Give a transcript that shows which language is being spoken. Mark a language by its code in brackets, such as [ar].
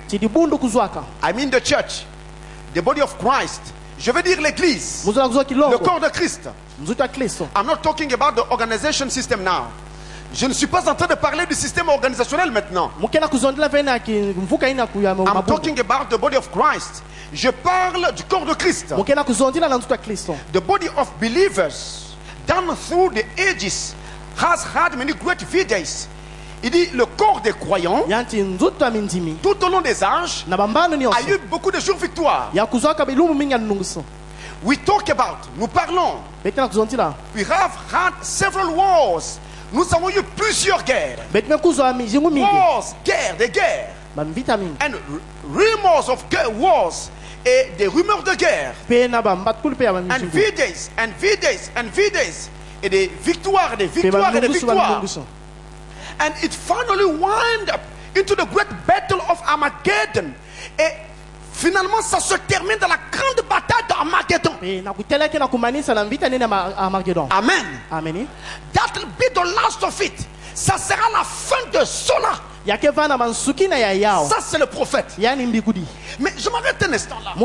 [en] I mean the church, the body of Christ. [fr] Je veux dire l'église, le corps de Christ. [en] I'm not talking about the organization system now. [fr] Je ne suis pas en train de parler du système organisationnel maintenant. [en] I'm talking about the body of Christ. [fr] Je parle du corps de Christ. [en] The body of believers down through the ages has had many great V-Days. [fr] Il dit le corps des croyants tout au long des âges a eu beaucoup de jours victoires. Nous parlons. [en] We have had several wars. [fr] Nous avons eu plusieurs guerres. Wars, guerres, des guerres. [en] And rumors of wars [fr] et des rumeurs de guerre. [en] And V-Days, and V-Days, and V-Days. [fr] Et des victoires, des victoires, et des victoires. [en] And it finally wound up into the great battle of Armageddon. [fr] Et finalement, ça se termine dans la grande bataille d'Armageddon. Amen. Amen. [en] That will be the last of it. [fr] Ça sera la fin de cela. Ça, c'est le prophète. Mais je m'arrête un instant là.